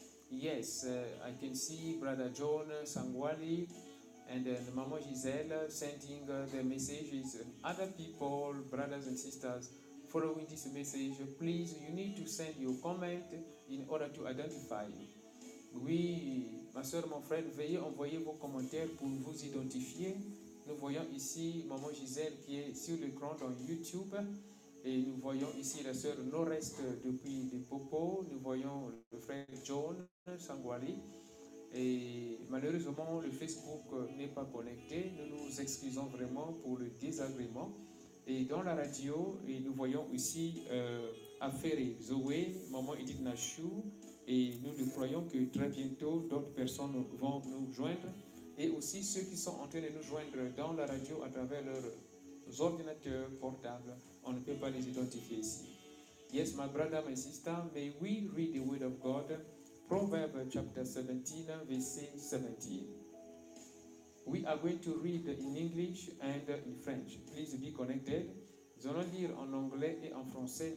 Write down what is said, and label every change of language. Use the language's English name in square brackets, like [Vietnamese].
[English] Yes, I can see Brother John Sangwali and Mama Giselle sending their messages. Other people, brothers and sisters, following this message, please, you need to send your comment in order to identify you. [French] Oui, ma soeur, mon frère, veuillez envoyer vos commentaires pour vous identifier. Nous voyons ici Maman Giselle qui est sur l'écran dans YouTube. Et nous voyons ici la sœur Norest depuis Limpopo. Nous voyons le frère John Sangwali. Et malheureusement, le Facebook n'est pas connecté. Nous nous excusons vraiment pour le désagrément. Et dans la radio, et nous voyons aussi Afere Zoé, Maman Edith Nashu. Et nous le croyons que très bientôt, d'autres personnes vont nous joindre. Et aussi ceux qui sont en train de nous joindre dans la radio à travers leurs ordinateurs portables, on ne peut pas les identifier ici. [English] Yes, my brother, my sister, may we read the word of God, Proverbs chapter 17, verset 17. We are going to read in English and in French. Please be connected. [French] Nous allons lire en anglais et en français.